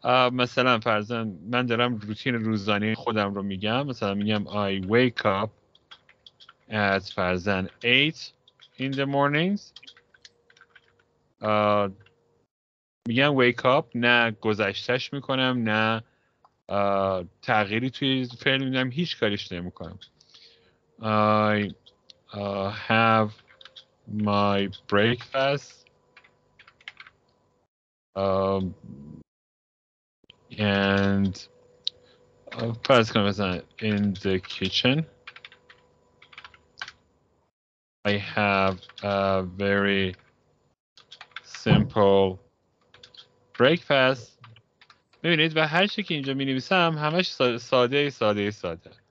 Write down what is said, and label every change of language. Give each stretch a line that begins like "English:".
Persian: مثلا فرضاً من دارم روتین روزانه خودم رو میگم، مثلا میگم
English: I wake up at
Persian: فرضاً
English: 8 in the mornings.
Persian: میگم wake up، نه گذشتش میکنم، نه تغییری توی فعل میدم، هیچ کاریش نمیکنم.
English: I have my breakfast and first come in the kitchen. I have a very simple breakfast.
Persian: ببینید و هر چی که اینجا می نویسم همش ساده ساده ساده.